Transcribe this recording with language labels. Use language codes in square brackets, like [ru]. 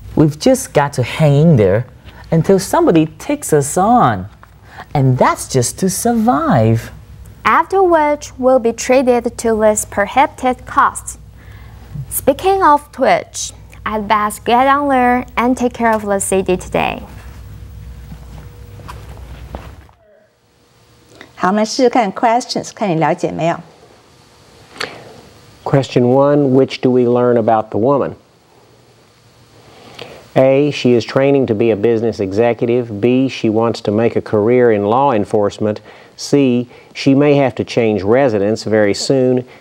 [en] We've just got to hang in there. Until somebody takes us on. And that's just to survive. After which, we'll be treated to less prohibited costs. Speaking of Twitch, I'd best get on there and take care of the city today. [zh] 好，我们试试看 questions, 看你了解没有。 [en] Question one, which do we learn about the woman? A, she is training to be a business executive. B, she wants to make a career in law enforcement. C, she may have to change residence very soon.